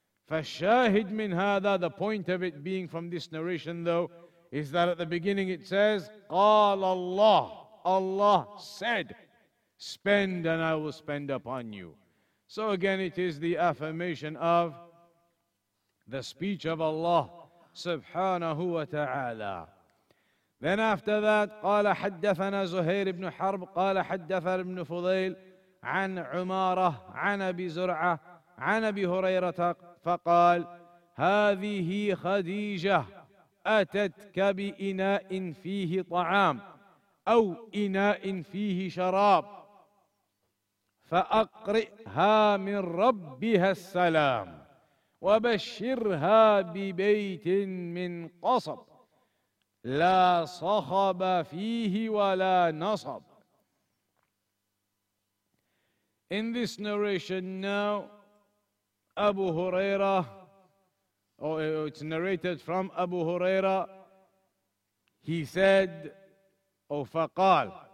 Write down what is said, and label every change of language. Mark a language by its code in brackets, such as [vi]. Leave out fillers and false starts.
[ar] فَالشَّاهِدْ مِنْ هَذَا, [en] the point of it being from this narration though, is that at the beginning it says, [ar] قَالَ اللَّهُ, [en] Allah said, spend and I will spend upon you. So again, it is the affirmation of the speech of Allah subhanahu wa ta'ala. Then after that, [ar] قَالَ حَدَّثَنَا زُهَيْرِ بْنُ حَرْبٍ قَالَ حَدَّثَنَا بْنُ فُضَيْلٍ عَنْ عُمَارَةٍ عَنْ أَبِي زُرْعَةٍ عَنْ أَبِي هُرَيْرَةٍ فقال هذه خديجة أتتك بإناء فيه طعام أو إناء فيه شراب فأقرئها من ربها السلام وبشرها ببيت من قصب لا صخب فيه ولا نصب. [en] In this narration now, Abu Hurairah, it's narrated from Abu Hurairah, he said, فقال.